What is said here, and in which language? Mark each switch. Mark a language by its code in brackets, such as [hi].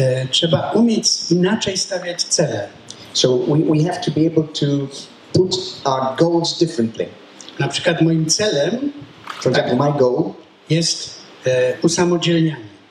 [pl] Trzeba umieć inaczej stawiać cele. [en] So we have to be able to put our goals differently. [pl] Na przykład moim celem, [en] for example, my goal, [pl] jest usamodzielnianie.